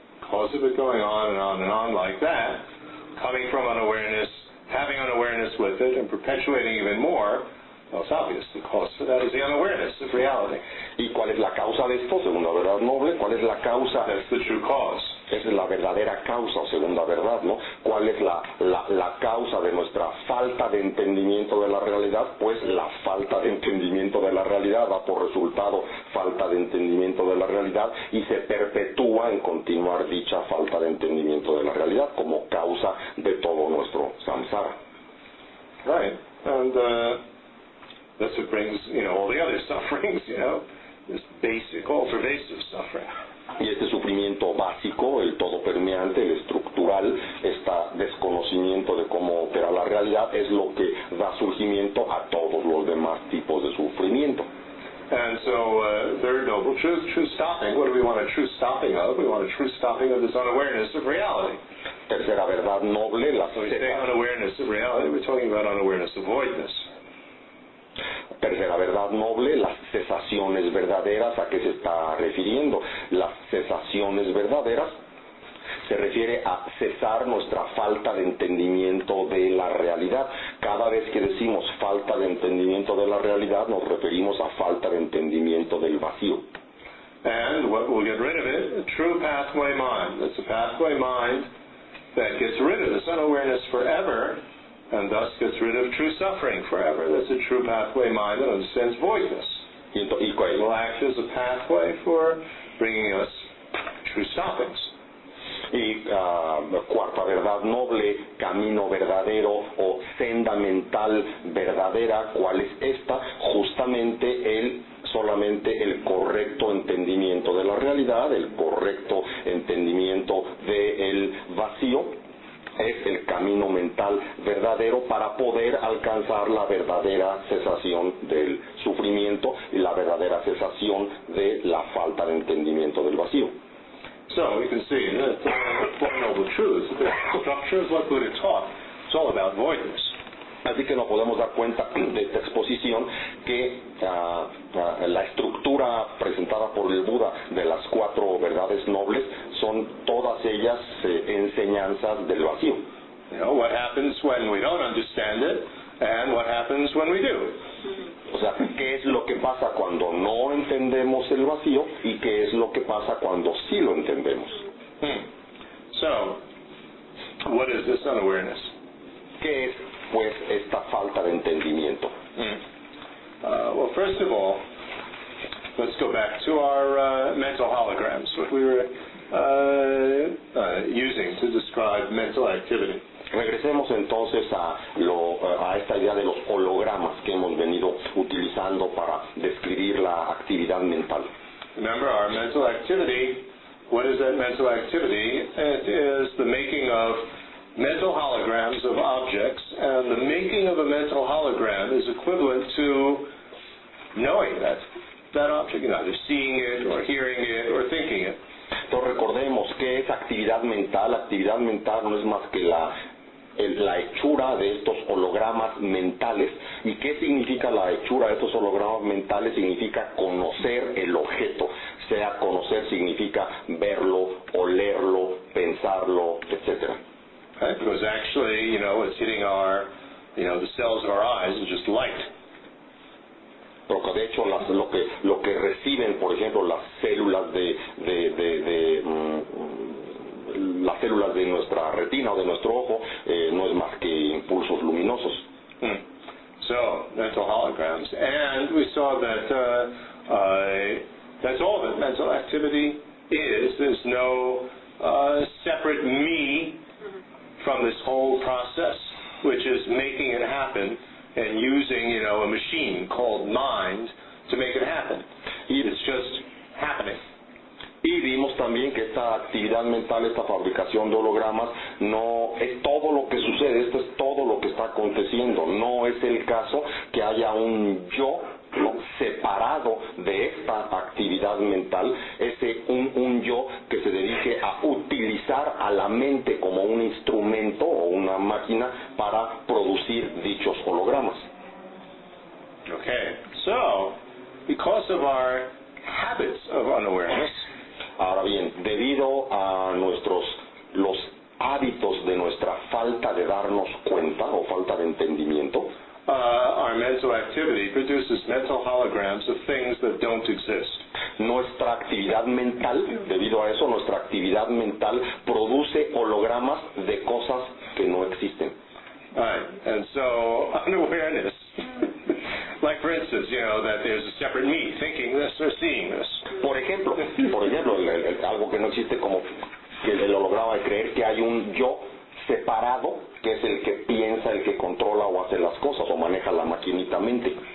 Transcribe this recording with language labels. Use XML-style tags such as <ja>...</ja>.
<en>Cause of it going on and on and on like that, coming from unawareness, having unawareness with it and perpetuating even more, well, it's obvious, the cause for that is the unawareness of reality.</en> <es>¿Y cuál es la causa de esto, según la verdad noble? ¿Cuál es la causa?</es> <en>That's the true cause.</en> <es>Esa es la verdadera causa, según la verdad, ¿no? ¿Cuál es la causa de nuestra falta de entendimiento de la realidad? Pues la falta de entendimiento de la realidad da por resultado falta de entendimiento de la realidad, y se perpetúa en continuar dicha falta de entendimiento de la realidad como causa de todo nuestro samsara.</es> <en>Right. And that's what brings, you know, all the other sufferings, you know, this basic, all pervasive suffering.</en> <es>Y este sufrimiento básico, el todo permeante, el estructural, este desconocimiento de cómo opera la realidad, es lo que da surgimiento a todos los demás tipos de sufrimiento.</es> <en>And so, third noble truth, true stopping. What do we want a true stopping of? We want a true stopping of this unawareness of reality.</en> <es>Tercera verdad noble, la sexta.</es> <en>So unawareness of reality, we're talking about unawareness of voidness.</en> <es>Tercera verdad noble, las cesaciones verdaderas, ¿a qué se está refiriendo? Las cesaciones verdaderas se refiere a cesar nuestra falta de entendimiento de la realidad. Cada vez que decimos falta de entendimiento de la realidad, nos referimos a falta de entendimiento del vacío.</es> <en>And what will get rid of it? A true pathway mind. It's a pathway mind that gets rid of this unawareness forever, and thus gets rid of true suffering forever. That's a true pathway mind that understands voidness. It will act as a pathway for bringing us true stoppings.</en> <es>Y cuarta verdad noble, camino verdadero o senda mental verdadera, ¿cuál es esta? Justamente solamente el correcto entendimiento de la realidad, el correcto entendimiento del vacío, es el camino mental verdadero para poder alcanzar la verdadera cesación del sufrimiento y la verdadera cesación de la falta de entendimiento del vacío.</es> <en>So we can see that the noble truth, the structure of what Buddha taught, it's all about voidness.</en> <es>Así que nos podemos dar cuenta de esta exposición que la estructura presentada por el Buda de las cuatro verdades nobles son todas ellas enseñanzas del vacío.</es> <en>You know, what happens when we don't understand it, and what happens when we do.</en> <es>O sea, ¿qué es lo que pasa cuando no entendemos el vacío y qué es lo que pasa cuando sí lo entendemos?</es> <en>So, what is this unawareness?</en> <es>¿Qué es, pues, esta falta de entendimiento?</es> <en>Well, first of all, let's go back to our mental holograms, what we were using to describe mental activity.</en> <es>Regresemos entonces a esta idea de los hologramas que hemos venido utilizando para describir la actividad mental.</es> <en>Remember our mental activity, what is that mental activity? It is the making of mental holograms of objects, and the making of a mental hologram is equivalent to knowing that object, you know, either seeing it or hearing it or thinking it.</en> <es>Entonces recordemos que es actividad mental. Actividad mental no es más que la hechura de estos hologramas mentales. ¿Y qué significa la hechura de estos hologramas mentales? Significa conocer el objeto. Sea conocer significa verlo, olerlo, pensarlo, etc.</es> <en>Right, because actually, you know, it's hitting our, you know, the cells of our eyes, it's just light.</en> <es>Porque de hecho lo que reciben, por ejemplo, las células las células de nuestra retina o de nuestro ojo, no es más que impulsos luminosos.</es> <en>So, mental holograms. And we saw that that's all that mental activity is. There's no separate me from this whole process, which is making it happen and using, you know, a machine called mind to make it happen. It's just happening.</en> <es>Y vimos también que esta actividad mental, esta fabricación de hologramas, no es todo lo que sucede, esto es todo lo que está aconteciendo. No es el caso que haya un yo, ¿no?, separado de esta actividad mental, ese un yo que se dedique a utilizar a la mente como un instrumento o una máquina para producir dichos hologramas.</es> <en>Okay, so, because of our habits of unawareness,</en> <es>ahora bien, debido a los hábitos de nuestra falta de darnos cuenta o falta de entendimiento,</es> <en>Our mental activity produces mental holograms of things that don't exist.</en> <es>Nuestra actividad mental, debido a eso, nuestra actividad mental produce hologramas de cosas que no existen.</es> <en>Right. And so, unawareness, like for instance, you know, that there's a separate me thinking this or seeing this.</en> <es>Por ejemplo, algo que no existe, como que el holograma de creer que hay un yo separado, que es el que piensa, el que controla o hace las cosas o maneja la maquinita mente.</es>